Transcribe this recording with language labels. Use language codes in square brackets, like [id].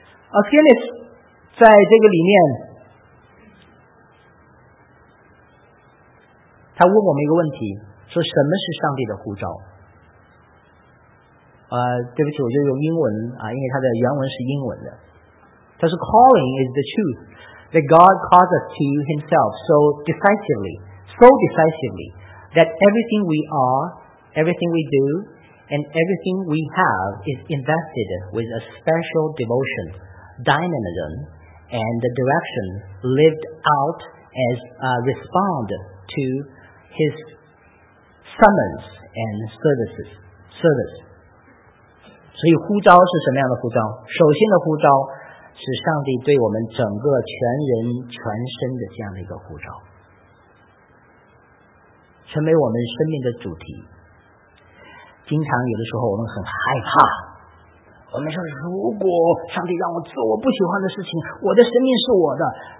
[en] Afghanis [zh] 在这个里面他问我们一个问题，说什么是上帝的呼召。对不起，我就用英文啊，因为他的原文是英文的。他说 [en] ，Calling is the truth that God calls us to Himself so decisively that everything we are, everything we do, and everything we have is invested with a special devotion, dynamism, and the direction lived out as a respond to His summons and service。 [zh] 所以呼召是什么样的呼召？首先的呼召是上帝对我们整个全人全身的这样的一个呼召，成为我们生命的主题。经常有的时候我们很害怕，我们说如果上帝让我做我不喜欢的事情，我的生命是我的。